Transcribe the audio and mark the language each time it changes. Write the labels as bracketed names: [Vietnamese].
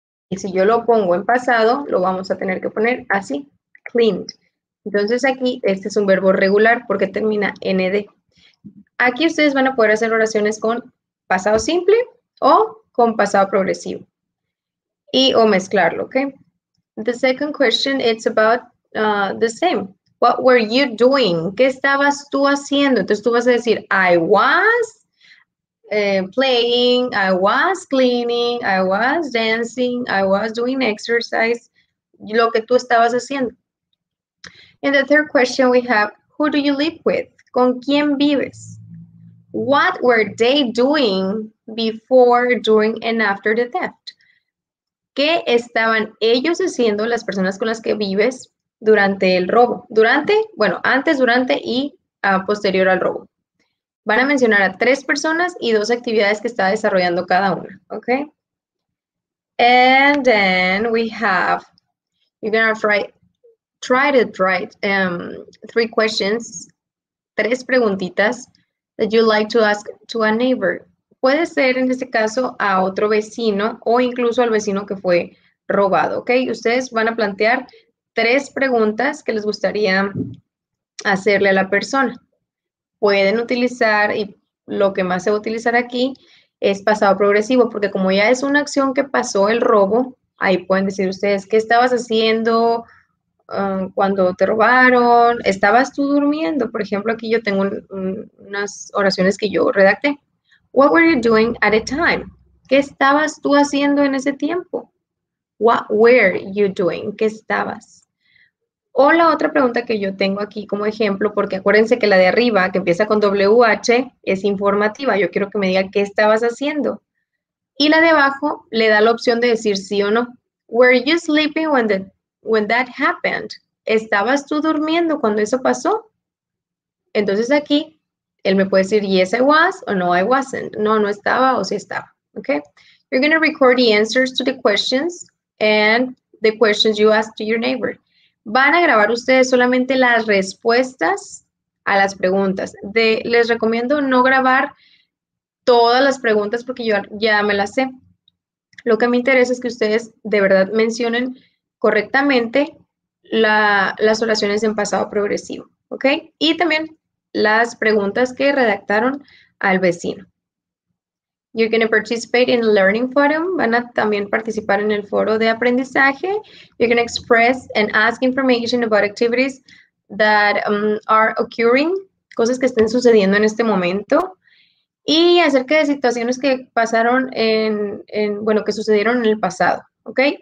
[Spanish] Y si yo lo pongo en pasado, lo vamos a tener que poner así, cleaned. Entonces aquí, este es un verbo regular porque termina ND. Aquí ustedes van a poder hacer oraciones con pasado simple o con pasado progresivo. Y o mezclarlo, ¿ok? [English] The second question, it's about the same. What were you doing? [Spanish] ¿Qué estabas tú haciendo? Entonces tú vas a decir, [English] I was playing, I was cleaning, I was dancing, I was doing exercise. [Spanish] Lo que tú estabas haciendo. [English] In the third question, we have, who do you live with? [Spanish] ¿Con quién vives? [English] What were they doing before, during, and after the theft? [Spanish] ¿Qué estaban ellos haciendo, las personas con las que vives, durante el robo? Durante, bueno, antes, durante y posterior al robo. Van a mencionar a tres personas y dos actividades que está desarrollando cada una, ¿ok? [English] And then we have, you're going to try to write three questions, [Spanish] tres preguntitas, [English] that you like to ask to a neighbor. [Spanish] Puede ser, en este caso, a otro vecino o incluso al vecino que fue robado, ¿ok? Ustedes van a plantear tres preguntas que les gustaría hacerle a la persona. Pueden utilizar, y lo que más se va a utilizar aquí, es pasado progresivo, porque como ya es una acción que pasó el robo, ahí pueden decir ustedes, ¿qué estabas haciendo cuando te robaron? ¿Estabas tú durmiendo? Por ejemplo, aquí yo tengo unas oraciones que yo redacté. [English] What were you doing at a time? [Spanish] ¿Qué estabas tú haciendo en ese tiempo? [English] What were you doing? [Spanish] ¿Qué estabas? O la otra pregunta que yo tengo aquí como ejemplo, porque acuérdense que la de arriba, que empieza con WH, es informativa. Yo quiero que me diga qué estabas haciendo. Y la de abajo le da la opción de decir sí o no. [English] Were you sleeping when that happened? [Spanish] ¿Estabas tú durmiendo cuando eso pasó? Entonces aquí, él me puede decir, [English] yes, I was, [Spanish] o [English] no, I wasn't. [Spanish] No, no estaba, o sí estaba. Okay? [English] You're going to record the answers to the questions and the questions you asked to your neighbor. [Spanish] Van a grabar ustedes solamente las respuestas a las preguntas. Les recomiendo no grabar todas las preguntas porque yo ya me las sé. Lo que me interesa es que ustedes de verdad mencionen correctamente las oraciones en pasado progresivo, ¿ok? Y también las preguntas que redactaron al vecino. [English] You're going to participate in a learning forum. [Spanish] Van a también participar en el foro de aprendizaje. [English] You're going to express and ask information about activities that are occurring, [Spanish] cosas que estén sucediendo en este momento, y acerca de situaciones que pasaron que sucedieron en el pasado, ¿ok?